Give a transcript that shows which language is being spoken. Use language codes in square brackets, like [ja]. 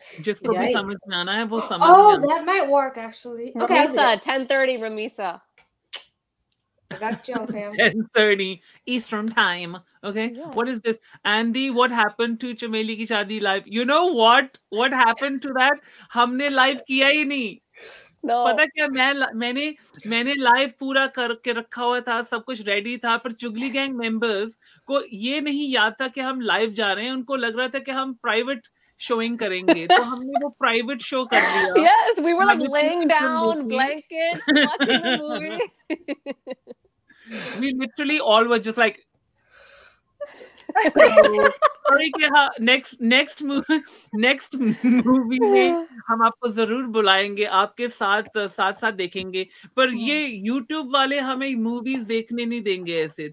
[en] Just for the summer, I have oh, summer. Oh, that might work actually. Okay, Ramisa, 10:30 Ramisa. I got you, fam. 10:30 Eastern time. Okay. Yeah. What is this? Andy, what happened to Chameli Ki Shaadi live? You know what? What happened to that? [hi] Humne live kiya hi nahi. [en] No. [hi] पता क्या, मैंने live पूरा करके रखा हुआ था, सब कुछ रेडी था, पर चुगली गैंग मेंबर्स को ये नहीं याद था कि हम लाइव जा रहे हैं. उनको लग रहा था कि हम प्राइवेट शोइंग करेंगे, तो हमने वो प्राइवेट शो कर दिया. [en] Yes, we were like laying down, blankets, watching We literally all were just like, sorry [hi] कि हाँ, next movie में हम आपको जरूर बुलाएंगे, आपके साथ साथ साथ देखेंगे. पर ये YouTube वाले हमें movies देखने नहीं देंगे ऐसे.